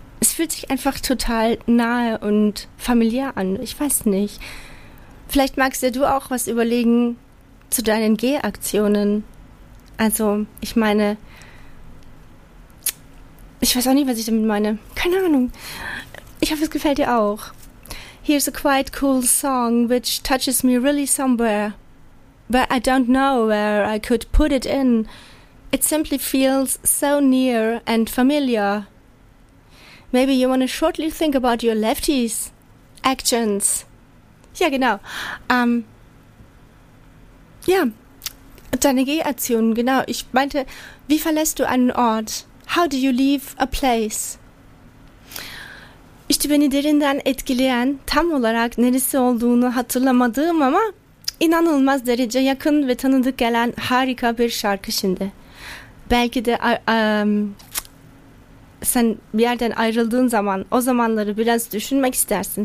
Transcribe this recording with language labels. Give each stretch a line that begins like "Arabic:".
German: Es fühlt sich einfach total nahe und familiär an. Ich weiß nicht. Vielleicht magst du auch was überlegen zu deinen Gehaktionen. Also, ich meine, ich weiß auch nicht, was ich damit meine. Keine Ahnung. Ich hoffe, es gefällt dir auch.
English: Here's a quite cool song, which touches me really somewhere. But I don't know where I could put it in. It simply feels so near and familiar. Maybe you want to shortly think about your lefties' actions.
German: Ja, genau. Deine Gehaktionen, genau. Ich meinte, wie verlässt du einen Ort?
English: How do you leave a place?
Turkish: İşte beni derinden etkileyen, tam olarak neresi olduğunu hatırlamadığım ama inanılmaz derece yakın ve tanıdık gelen harika bir şarkı şimdi. Belki de sen bir yerden ayrıldığın zaman o zamanları biraz düşünmek istersin.